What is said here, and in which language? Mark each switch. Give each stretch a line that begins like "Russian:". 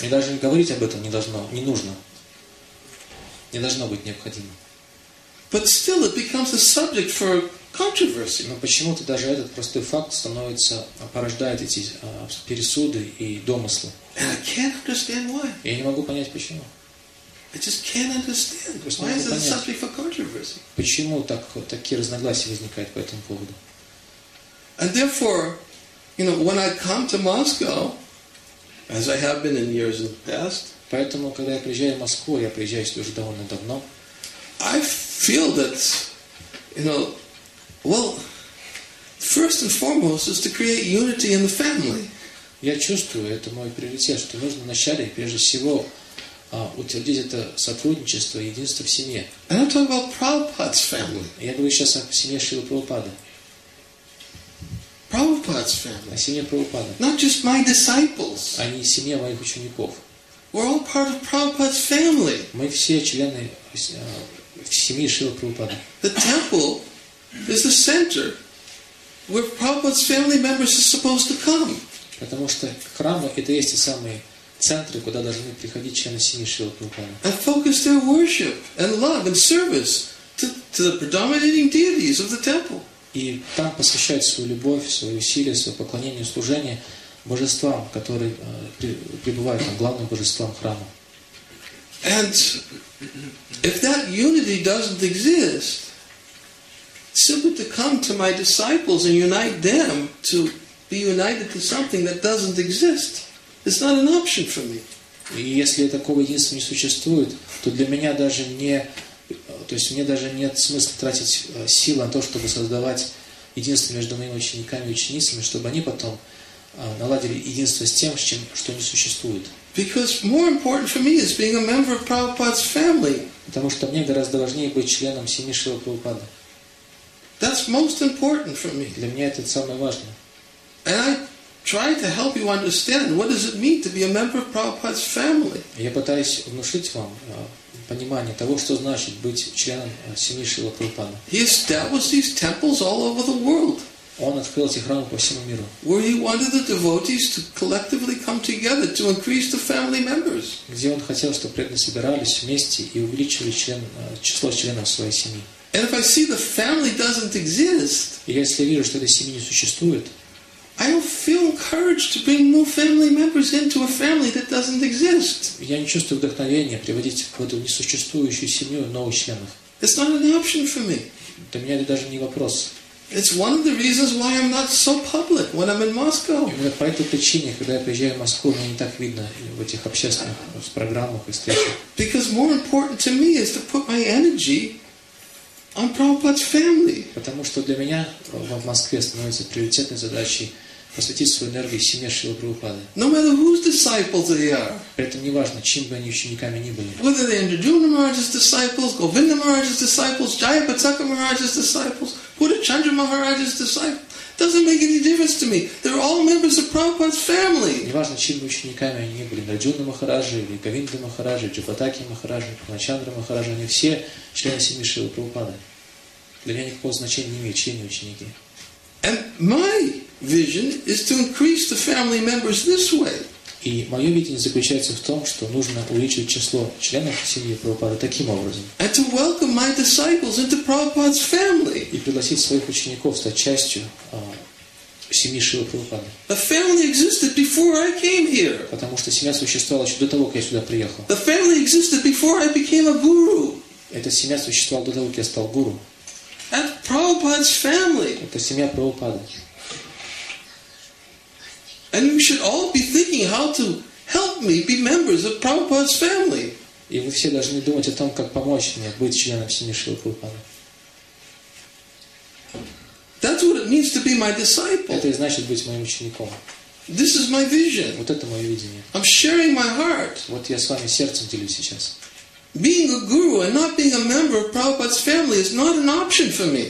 Russian: Мне даже не говорить об этом не должно, не нужно. Не должно быть необходимо.
English: But still, it becomes a subject for controversy.
Russian: Но почему-то даже этот простой факт становится порождает эти пересуды и домыслы.
English: And I can't understand why.
Russian: Я не могу понять почему.
English: I just can't understand. Why is it a subject for controversy?
Russian: Почему так такие разногласия возникают по этому поводу?
English: And therefore, you know, when I come to Moscow, as I have been in years in the past.
Russian: Поэтому, когда я приезжаю в Москву, я приезжаю сюда уже довольно давно.
English: I feel that, you know, well, first and foremost is to create unity in the family.
Russian: Я чувствую, это мой приоритет, что нужно вначале, прежде всего, утвердить это сотрудничество, единство в семье.
English: And I'm talking about Prabhupada's family.
Russian: Я говорю сейчас о семье Шрилы Прабхупады.
English: Prabhupada's family.
Russian: О семье Прабхупады.
English: Not just my disciples.
Russian: А не семья моих учеников.
English: We're all part of Prabhupada's family.
Russian: Мы все члены семьи Шрилы Прабхупады.
English: The temple is the center where Prabhupada's family members are supposed to come.
Russian: Потому что храм это есть те самые центры, куда должны приходить члены семьи Шрилы Прабхупады.
English: And focus their worship and love and service to the predominating deities of the temple.
Russian: И там посвящать свою любовь, свои усилия, свое поклонение, служение божествам, которые пребывают там, главным божествам храма.
English: And if that unity doesn't exist, simply to come to my disciples and unite them to be united to something that doesn't exist is not an option for me.
Russian: И если такого единства не существует, то для меня даже не, то есть мне даже нет смысла тратить силы на то, чтобы создавать единство между моими учениками и ученицами, чтобы они потом наладили единство с тем, с чем, что не существует.
English: Because more important for me is being a member of Prabhupada's family.
Russian: Потому что мне гораздо важнее быть членом семьи Шрилы Прабхупады.
English: That's most important for me.
Russian: Для меня это самое важное.
English: And I try to help you understand what does it mean to be a member of Prabhupada's family.
Russian: Я пытаюсь внушить вам понимание того, что значит быть членом семьи Шрилы Прабхупады.
English: He established these temples all over the world.
Russian: Он открыл эти храмы по всему миру.
English: Where he wanted the devotees to collectively come together to increase the family members.
Russian: Где он хотел, чтобы преданные собирались вместе и увеличивали число членов своей семьи.
English: And if I see the family doesn't exist,
Russian: если я вижу, что этой семьи не существует,
English: I don't feel encouraged to bring new family members into a family that doesn't exist.
Russian: Я не чувствую вдохновения приводить в эту несуществующую семью новых членов.
English: It's not an option for me.
Russian: Для меня это даже не вопрос.
English: It's one of the reasons why I'm not so public when I'm in Moscow.
Russian: Именно по этой причине, когда я приезжаю в Москву, мне не так видно в этих общественных программах и встречах.
English: Because more important to me is to put my energy on Prabhupada's family.
Russian: Потому что для меня в Москве становится приоритетной задачей посвятить свою энергию семье Шрилы Прабхупады.
English: No matter whose disciples they are.
Russian: При этом неважно, чем бы они учениками ни были.
English: Whether they're Indrajumna Maharaj's disciples, Govinda Maharaj's disciples, Jaya Bhattaka Maharaj's disciples, Puttachandra Maharaj's disciples, doesn't make any difference to me. They're all members of Prabhupada's family.
Russian: Неважно, чем бы учениками они ни были, Индраджуна Махараджи, или Говинда Махараджи, Джабхатаки Махараджи, Пхачандра Махараджи, они все члены семьи Шрилы Прабхупады. Для меня никакого значения не имеют члены ученики.
English: And my vision is to increase the family members this way.
Russian: И мое видение заключается в том, что нужно увеличить число членов семьи Прабхупады таким образом.
English: And to welcome my disciples into Prabhupada's family.
Russian: И пригласить своих учеников стать частью семьи Шрилы Прабхупады.
English: The family existed before I came here.
Russian: Потому что семья существовала еще до того, как я сюда приехал.
English: The family existed before I became a guru.
Russian: Эта семья существовала до того, как я стал гуру.
English: That's Prabhupada's family.
Russian: Это семья Прабхупады.
English: And we should all be thinking how to help me be members of Prabhupada's family.
Russian: И вы все должны думать о том, как помочь мне быть членом семьи Шрилы Прабхупады.
English: That's what it means to be my disciple.
Russian: Это и значит быть моим учеником.
English: This is my vision.
Russian: Вот это мое видение.
English: I'm sharing my heart.
Russian: Вот я с вами сердцем делюсь сейчас.
English: Being a guru and not being a member of Prabhupada's family is not an option for me.